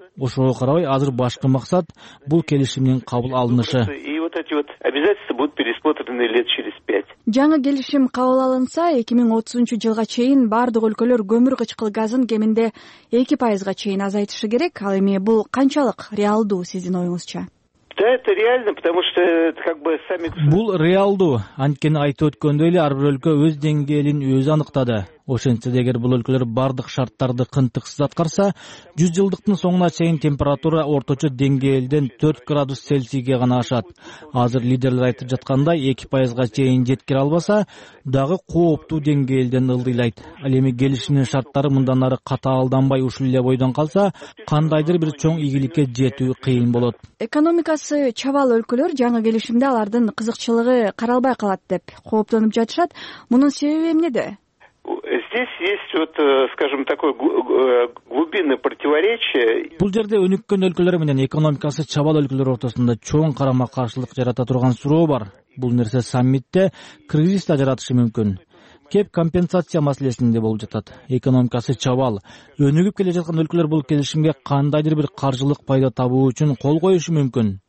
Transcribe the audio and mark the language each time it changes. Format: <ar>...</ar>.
<ky>Ошого карабай, азыр башкы максат бул келишимдин кабыл алынышы. Жаңы келишим кабыл алынса, 2030 жылга чейин бардык өлкөлөр көмүр кычкыл газын кеминде 2% чейин азайтышы керек. Ал эми бул канчалык реалдуу сиздин оюңузча?</ky> <ru>Да, это реально, потому что саммит</ru> <ky>бул реалдуу. Анткени айтып өткөндөй эле ар бир өлкө өз деңгээлин өзү аныктады. Ошентсе эгер бул өлкөлөр бардык шарттарды кынтыксыз аткарса, 100 жылдыктын соңуна чейин температура орточо деңгээлден 4 градус Цельсийге гана ашат. Азыр лидерлер айтып жаткандай, 2% чейин жеткире албаса, дагы кооптуу деңгээлден ылдыйлайт. Ал эми келишимдин шарттары мындан ары катаалданбай ушул эле бойдон калса, кандайдыр бир чоң ийгиликке жетүү кыйын болот. Экономикасы чабал өлкөлөр жаңы келишимде алардын кызыкчылыгы каралбай калат деп кооптонуп жатышат. Мунун себеби эмнеде?</ky> <ru>Здесь есть вот, скажем, такое глубинное противоречие.</ru> <ky>Бул жерде өнүккөн өлкөлөр менен экономикасы чабал өлкөлөр ортосунда чоң карама-каршылык жарата турган суроо бар. Бул нерсе саммитте кризис да жаратышы мүмкүн. Кеп компенсация маселесинде болуп жатат. Экономикасы чабал, өнүгүп келе жаткан өлкөлөр бул келишимге кандайдыр бир каржылык пайда табуу үчүн кол коюшу мүмкүн.</ky>